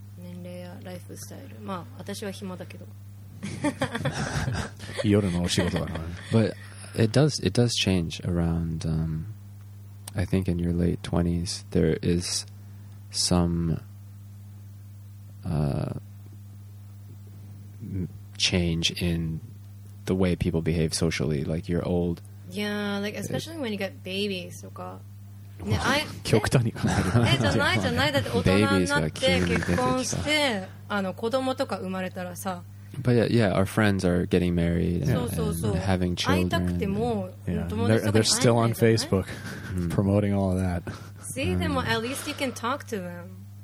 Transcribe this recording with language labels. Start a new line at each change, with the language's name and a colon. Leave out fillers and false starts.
Japanese: 年齢やライフスタイル、まあ私は暇だけど夜のお仕事だから。
English: But it does change around I think in your late 20s there is some change in the way people behave socially, like you're old Yeah, like especially when you get babies とか。
Japanese: ね、あ、極端に考える。え、じゃない、だって大人になって結婚して、あの子供とか生まれたらさ、
English: But yeah, our friends are getting married and having children. They're still on Facebook promoting all of that. See, them at least you can talk to them.